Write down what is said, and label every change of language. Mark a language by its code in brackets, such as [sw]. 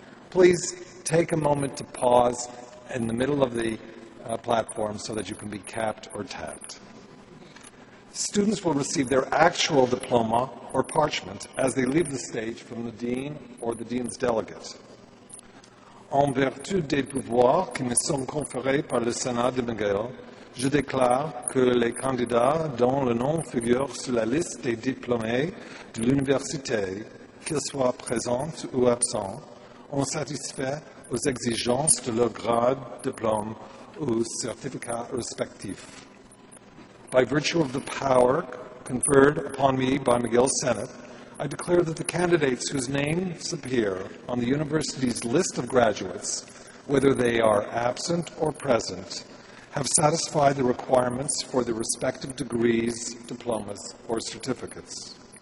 [en] Please take a moment to pause in the middle of the platform so that you can be capped or tapped. Students will receive their actual diploma or parchment as they leave the stage from the dean or the dean's delegate. [fr] En vertu des pouvoirs qui me sont conférés par le Sénat de McGill, je déclare que les candidats dont le nom figure sur la liste des diplômés de l'université, qu'ils soient présents ou absents, ont satisfait aux exigences de leur grade, diplôme ou certificat respectif. [en] By virtue of the power conferred upon me by McGill Senate, I declare that the candidates whose names appear on the university's list of graduates, whether they are absent or present, have satisfied the requirements for their respective degrees, diplomas, or certificates.